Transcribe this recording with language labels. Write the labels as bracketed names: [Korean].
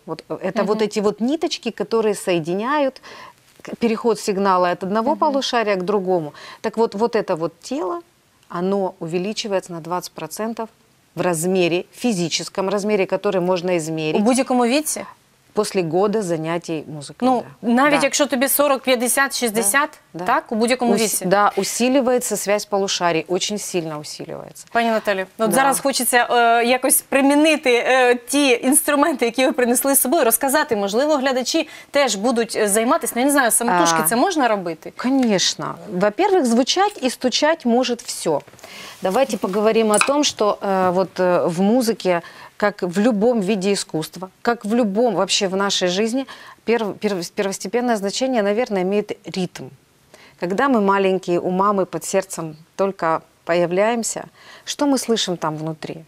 [Russian] Вот это вот эти вот ниточки, которые соединяют переход сигнала от одного полушария к другому. Так вот, вот это вот тело, оно увеличивается на 20% в размере, физическом размере, который можно измерить. [Ukrainian] У будь-якому віці? [Russian] После года занятий музыкой. Ну, да. [Ukrainian] Навіть да. Якщо тобі 40, 50, 60, да, да. Так, у будь-якому віці. [Russian] Да, усиливается связь полушарий, очень сильно усиливается. [Ukrainian] Пані Наталі, ну, да. Зараз хочеться якось примінити ті інструменти, які ви принесли з собою, розказати. Можливо, глядачі теж будуть займатися, ну, я не знаю, самотужки це можна робити? [Russian] Конечно. Во-первых, звучать і стучать може все. [Ukrainian] Давайте поговоримо [Russian] о том, що вот, в музиці, как в любом виде искусства, как в любом вообще в нашей жизни, первостепенное значение, наверное, имеет ритм. Когда мы маленькие, у мамы под сердцем только появляемся, что мы слышим там внутри?